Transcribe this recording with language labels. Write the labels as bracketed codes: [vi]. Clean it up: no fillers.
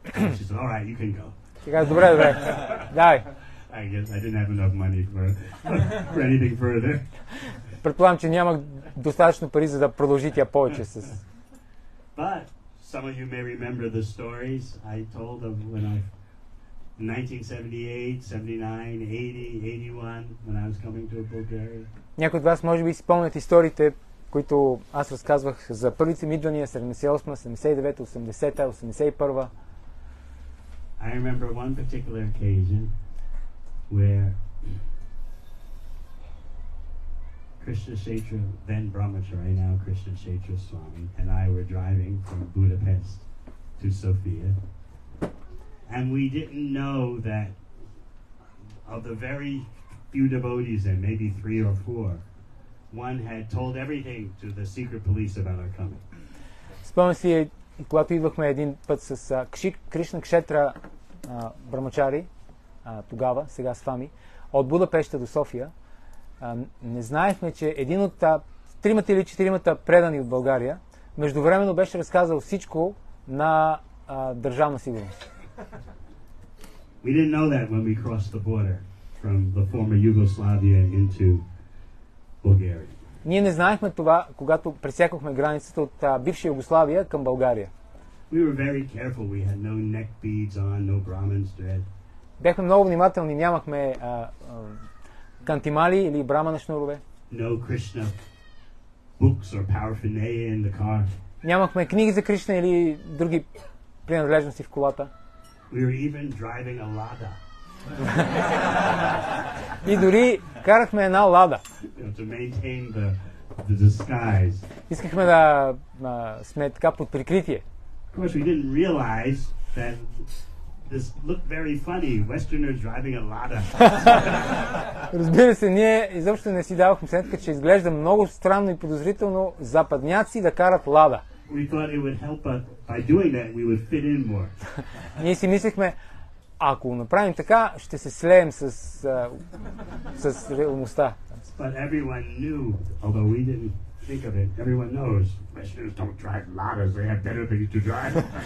[en] She said, all right, you can go. [bg] Тя каза, добре. Давай. [en] I guess I didn't have enough money for anything further. [bg] Предполагам, че нямах достатъчно пари, за да продължи тя повече с... [en] But some of you may remember the stories I told of when I... 1978, 79, 80, 81, when I was coming to Bulgaria. [bg] Някои от вас може би си спомнят историите, които аз разказвах за първите ми идвания, 78, 79, 80, 81. [en] I remember one particular occasion where Krishna Kshetra, then Brahmachari, now Krishna Kshetra Swami, and I were driving from Budapest to Sofia And we didn't know that of the very few devotees there, maybe three or four, one had told everything to the secret police about our coming. [bg] Спомням си, когато идвахме един път с Кришна Кшетра Брамачари, тогава, сега с вами, от Будапешта до София, не знаехме, че един от тримата или четиримата предани от България междувременно беше разказал всичко на държавна сигурност. [en] We didn't know that when we crossed the border from the former Yugoslavia into Bulgaria. [bg] Ние не знаехме това, когато пресекохме границата от бивша Югославия към България. [en] We were very careful. We had no neck beads on, no Brahmin's dread. [bg] Бяхме много внимателни, нямахме кантимали или брамана шнурове. [en] No Krishna books or paraphernalia in the car. [bg] Нямахме книги за Кришна или други принадлежности в колата. [en] We were even driving a Lada. [bg] И дори карахме една Лада. [en] To maintain the disguise. [bg] Искахме да сме така под прикритие. [en] Of course, we didn't realize that this looked very funny, Westerners driving a Lada. [bg] Разбира се, ние изобщо не си давахме сметка, че изглежда много странно и подозрително западняци да карат Лада. [en] We thought it would help us by doing that we would fit in more. [bg] Ние си мислихме, ако направим така, ще се слеем с реалността. [en] But everyone knew, although we didn't think of it, everyone knows Westerners don't drive Ladas, they have better things to drive.